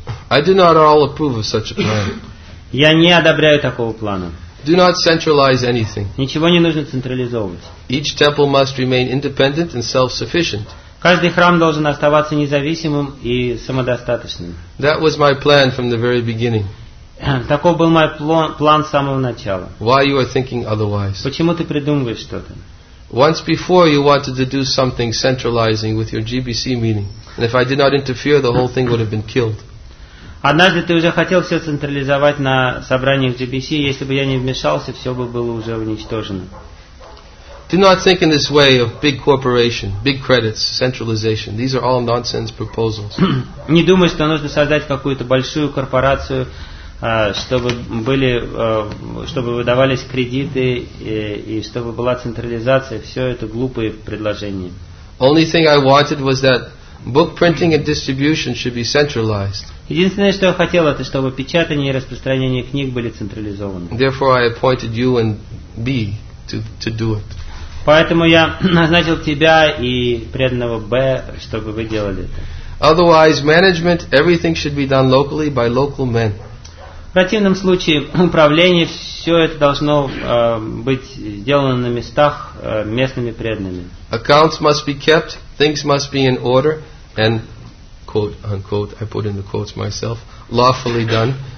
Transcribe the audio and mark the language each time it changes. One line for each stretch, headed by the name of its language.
English: I do not all approve of such a plan.
Russian: Я не одобряю такого плана.
English: Do not centralize anything.
Russian: Ничего не нужно централизовывать.
English: Each temple must remain independent and self-sufficient.
Russian: Каждый храм должен оставаться независимым и самодостаточным.
English: That was my plan from the very beginning.
Russian: Таков был мой план с самого начала.
English: Why you are thinking otherwise?
Russian: Почему ты придумываешь что-то?
English: Once before you wanted to do something centralizing with your GBC meeting, and if I did not interfere, the whole thing would have been killed.
Russian: Однажды ты уже хотел все централизовать на собраниях GBC, если бы я не вмешался, все бы было уже уничтожено.
English: Do not think in this way of big corporation, big credits, centralization. These are all nonsense proposals.
Russian: Не думай, что нужно создать какую-то большую корпорацию, чтобы были, чтобы выдавались кредиты и чтобы была централизация. Все это глупые предложения.
English: Only thing I wanted was that book printing and distribution should be centralized.
Russian: Единственное, что я хотел, это чтобы печатание и распространение книг были централизованы.
English: Therefore, I appointed you and B to do it.
Russian: Поэтому я назначил тебя и преданного Б, чтобы вы делали это.
English: Otherwise, management, everything should be done locally by local men.
Russian: В противном случае управление, все это должно быть сделано на местах местными преданными.
English: Accounts must be kept, things must be in order, and quote unquote, I put in the quotes myself, lawfully done.